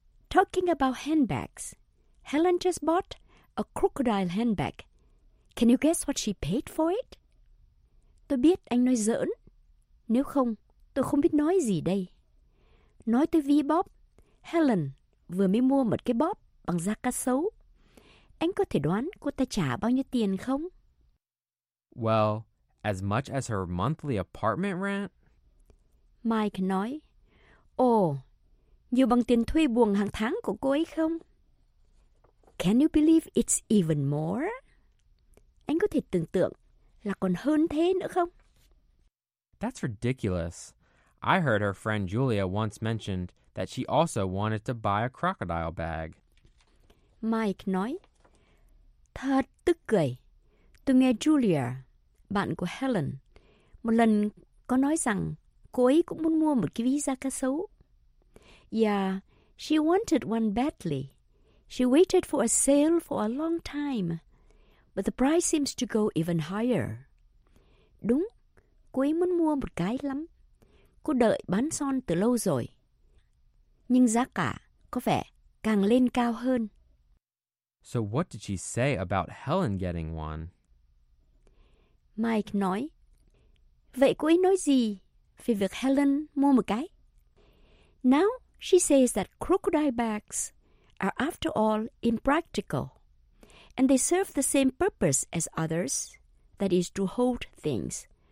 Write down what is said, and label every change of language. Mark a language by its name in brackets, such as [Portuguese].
[English] Talking about handbags, Helen just bought a crocodile handbag. Can you guess what she paid for it? [Vietnamese] Tôi biết anh nói giỡn. Nếu không, tôi không biết nói gì đây. Nói tới ví bóp, Helen vừa mới mua một cái bóp bằng da cá sấu. Anh có thể đoán cô ta trả bao nhiêu tiền không? [English] Well, as much as her monthly apartment rent. [Vietnamese] Mike nói, ồ, nhiều bằng tiền thuê buồng hàng tháng của cô ấy không? [English] Can you believe it's even more? [Vietnamese] Anh có thể tưởng tượng là còn hơn thế nữa không? [English] That's ridiculous. I heard her friend Julia once mentioned that she also wanted to buy a crocodile bag. [Vietnamese] Mike nói, thật tức cười. Tôi nghe Julia, bạn của Helen, một lần có nói rằng cô ấy cũng muốn mua một cái ví da cá sấu. [English] Yeah, she wanted one badly. She waited for a sale for a long time. But the price seems to go even higher. [Vietnamese] Đúng, cô ấy muốn mua một cái lắm. Cô đợi bán son từ lâu rồi. Nhưng giá cả có vẻ càng lên cao hơn. [English] So what did she say about Helen getting one? [Vietnamese] Mike nói, vậy cô ấy nói gì về việc Helen mua một cái? [English] Now she says that crocodile bags are after all impractical, and they serve the same purpose as others, that is to hold things.